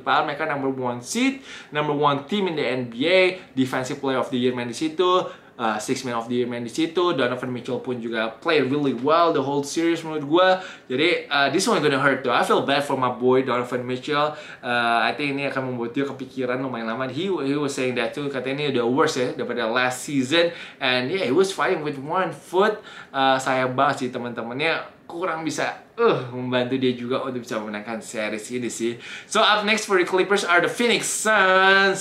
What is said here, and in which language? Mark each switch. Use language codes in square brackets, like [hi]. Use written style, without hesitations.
[id] Padahal mereka [en] number one seed, number one team in the NBA, [id] defensive player of the year main di situ, Sixth Man of the Year main di situ, Donovan Mitchell pun juga [en] play really well the whole series [id] menurut gue. [en] Jadi this one gonna hurt though. I feel bad for my boy Donovan Mitchell. I think [id] ini akan membuat dia kepikiran lumayan lama. [en] He was saying that too, [id] katanya ini [en] the worst ya daripada last season. And yeah, he was fighting with one foot. [id] Sayang banget sih teman-temannya kurang bisa membantu dia juga untuk bisa memenangkan series ini sih. [en] So up next for the Clippers are the Phoenix Suns.